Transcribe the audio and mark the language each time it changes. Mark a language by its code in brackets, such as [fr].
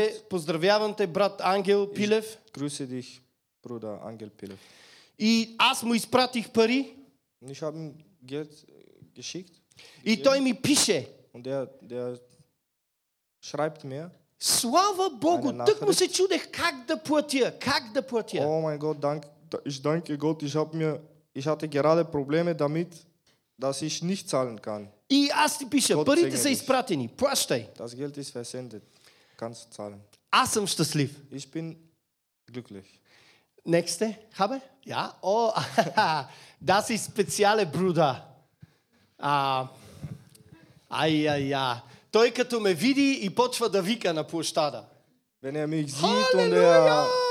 [bg] Поздравявам те, брат Ангел Пилев. [de] Grüße dich, Bruder Ангел Пилев. [bg] И аз му изпратих пари. [de] Ich habe Geld geschickt. [bg] И той ми пише. [de] Und der schreibt mir. [bg] Слава Богу, тък му се чудех как да платя. [de] Oh mein Gott, ich danke Gott, ich hatte gerade Probleme damit, dass ich nicht zahlen kann. [bg] И аз ти пиша, парите са изпратени, плащай. [de] Das Geld ist versendet, kannst du zahlen. [bg] Аз съм щастлив. [de] Ich bin glücklich. Nächste, habe? Ja, oh, das ist speziale Bruder. Ай-я-я. [bg] Той като ме види и почва да вика на площада. [de] Wenn er mich sieht und der